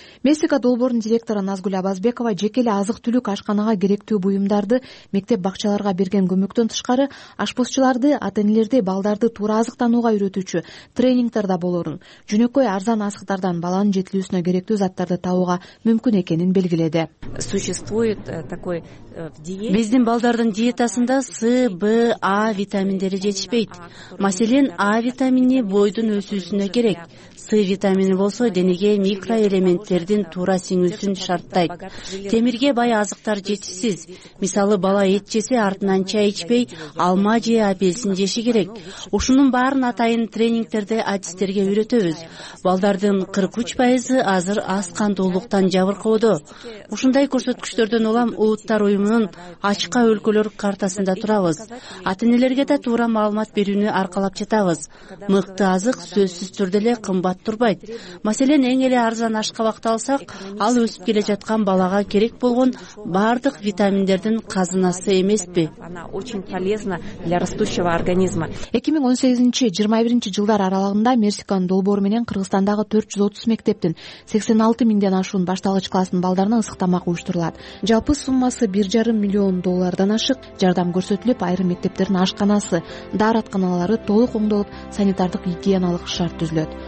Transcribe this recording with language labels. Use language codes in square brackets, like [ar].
[ky] Мексика долбоорунун директору Назгүл Абазбекова жеке эле азык-түлүк ашканага керектүү буюмдарды мектеп бакчаларга берген көмөктөн тышкары ашпозчуларды, ата-энелерди, балдарды туура азыктанууга үйрөтүүчү тренингтер да болорун, жөнөкөй арзан асыктардан баланын жетилүүсүнө керектүү заттарды табууга мүмкүн экенин белгиледи. [ru] Существует такой диета. [ky] Биздин балдардын диетасында С, Б, А витаминдери жетишпейт. Маселен, А витамини бойдун өсүүсүнө керек. С витамини болсо денеге микроэлементтердин туура сиңүүсүн шарттайт. Темирге бай азыктар жетишсиз. Мисалы, бала эт жесе артынан чай ичпей, алма же апельсин жеши керек. Ушунун баарын атайын тренингтерде адистерге үйрөтөбүз. Балдардын 43% азыр аз кандуулуктан жабыркоодо. Ушундай көрсөткүчтөрдөн улам Улуттар уюмунун ачка өлкөлөр картасында турабыз. Ата-энелерге да туура маалымат берүүнү аркалап жатабыз. Мыкты азык азык сөзсүз түрдө эле кымбат турбайт. Маселен, эң эле арзан ашка бакталсак, ал өсүп келе жаткан балага керек болгон бардык витаминдердин казынасы эмеспи? [ru] Она очень полезна для растущего организма. [ky] 2018-21 жылдар аралыгында Мексиканын долбоору менен Кыргызстандагы 430 мектептин 86 миңден ашуун башталгыч классынын балдарына ысык тамак уюштурулат. Жалпы суммасы 1,5 миллион доллардан ашык. Жардам көрсөтүлүп, айрым мектептердин ашканасы, дааратканалары толук оңдолуп, санитардык гигиеналык шарт түзүлөт.